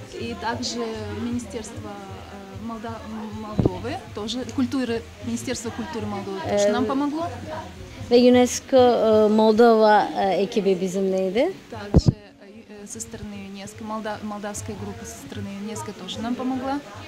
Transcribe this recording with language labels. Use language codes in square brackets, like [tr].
[ru] И также Министерство Молдовы, тоже культуры, Министерство культуры Молдовы тоже нам помогло. [tr] Ve UNESCO Moldova ekibi bizimleydi. [ru] Также со стороны UNESCO, молдавская группа со стороны UNESCO тоже нам помогла.